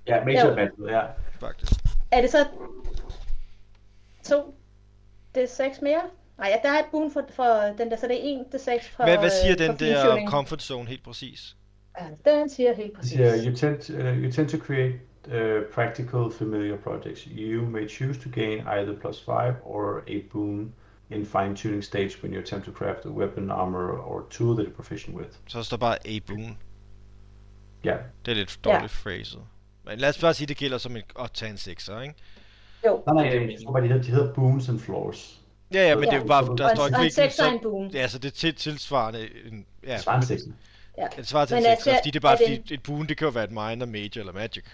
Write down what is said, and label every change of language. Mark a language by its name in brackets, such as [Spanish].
[Danish] Ja, major og magical, ja. Faktisk. Er det så 2d6 mere? Nej, ja, der er et boom for den der, så det er 1d6 fra. Hvad siger den der comfort zone helt præcis? Ja, den siger helt præcis. [English] Yeah, you tend to create practical familiar projects. You may choose to gain either +5 or a boon in fine tuning stage when you attempt to craft a weapon, armor or tool that you're proficient with. [Danish] Så står bare a boon. Ja. Det er lidt dårligt phrase. Men lad os bare sige, det gælder som at tage en sekser, ikke? Jo. Nej, det hedder boons and floors. Ja, ja, men det er bare, der står ikke virkelig. Og en sekser er en boon. Ja, så det er tilsvarende. Svarende sekser. Ja. Det svarer til en sekser, fordi det er bare fordi et boon, det kan jo være et minor, major eller magic.